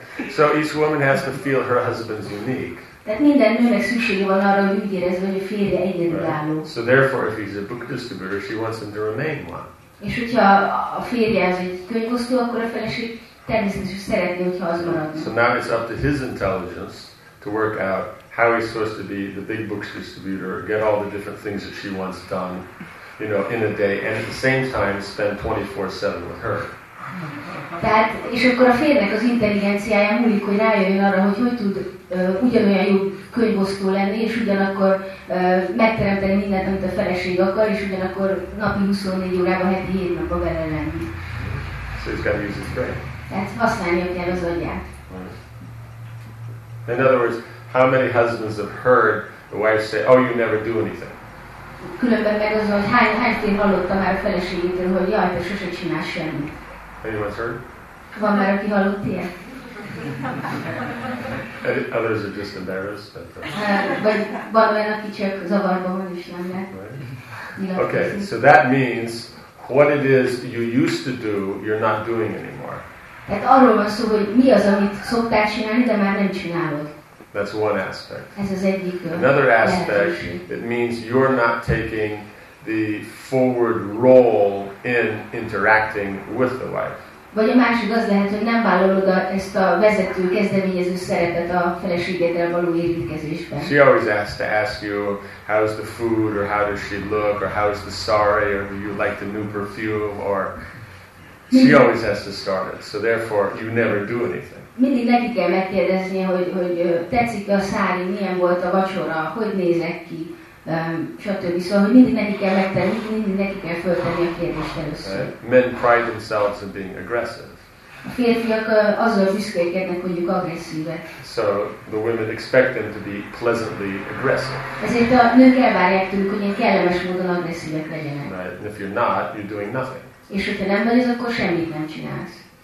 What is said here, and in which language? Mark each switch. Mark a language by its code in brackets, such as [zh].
[en] So each woman has to feel her husband's unique. [hu] Tehát minden nőnek szüksége van arra, hogy úgy érezze, hogy a férje egyedülálló. [en] Right. So therefore, if he's a book distributor, she wants him to remain one. [hu] És hogyha a férje az egy könyvosztó, akkor a feleség természetesen szeretné, hogyha az marad. [en] So now it's up to his intelligence to work out how he's supposed to be the big book distributor, get all the different things that she wants done, you know, in a day, and at the same time spend 24/7 with her. [hu] Tehát, és akkor a férnek az intelligenciája múlik, hogy rájöjjön arra, hogy hogy tud ugyanolyan jó könyvosztó lenni, és ugyanakkor megteremteni mindent, amit a feleség akar, és ugyanakkor napi 24 órában, heti 7 napban vele lenni. [en] So he's got to use his brain. [hu] Tehát használni kell az agyát. [en] In other words, how many husbands have heard the wife say, oh, you never do anything? [hu] Különben meg az, hogy hányszor hallottam már a feleségétől, hogy jaj, te sose csinálsz semmit. [en] Anyone's heard? [hu] Van már, aki hallott ilyet? [en] Others are just embarrassed. But, [hu] vagy van olyan, aki csak zavarban van is, nem lehet. [en] Right? Okay, so that means what it is you used to do, you're not doing anymore. [hu] Tehát arról van szó, hogy mi az, amit szoktál csinálni, de már nem csinálod. [en] That's one aspect. [hu] Ez az egyik. [en] Another aspect, it means you're not taking the forward role in interacting with the wife. [hu] Vagy a másik az lehet, hogy nem vállalod ezt a vezető, kezdeményező szerepet a feleségeddel való érintkezésben. [en] She always has to ask you, how's the food, or how does she look, or how's the sari, or do you like the new perfume, or... She always has to start it, so therefore you never do anything. [hu] Mindig neki kell megkérdeznie, hogy tetszik-e a sari, milyen volt a vacsora, hogy nézek ki. Stb. Szóval, hogy mindig neki kell megtenni, mindig neki kell föltenni a kérdést először. [en] Right. Men pride themselves in being aggressive. [hu] A férfiak azzal büszkélkednek, hogy ők agresszívek. [en] So the women expect them to be pleasantly aggressive. [hu] Ezért a nők elvárják tőlük, hogy ilyen kellemes módon agresszívek legyenek. [en] Right. And if you're not, you're doing nothing. [hu] És hogyha nem vagy, akkor semmit nem csinálsz.